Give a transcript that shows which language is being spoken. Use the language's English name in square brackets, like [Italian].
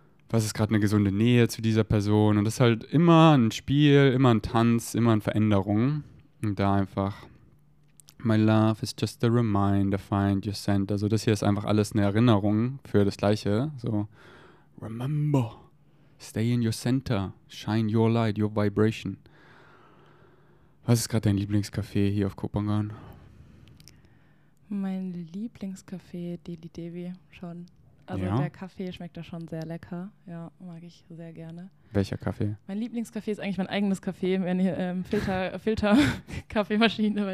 [German] Was ist gerade eine gesunde Nähe zu dieser Person? Und das ist halt immer ein Spiel, immer ein Tanz, immer eine Veränderung. Und da einfach, [English] my love is just a reminder, find your scent. [German] Also das hier ist einfach alles eine Erinnerung für das Gleiche. [English] So, remember, stay in your center, shine your light, your vibration. [German] Was ist gerade dein Lieblingscafé hier auf Kopangan? Mein Lieblingscafé, Deli Devi, schon. Also ja. Der Kaffee schmeckt da schon sehr lecker. Ja, mag ich sehr gerne. Welcher Kaffee? Mein Lieblingskaffee ist eigentlich mein eigenes Kaffee, meine Filter-Kaffeemaschine.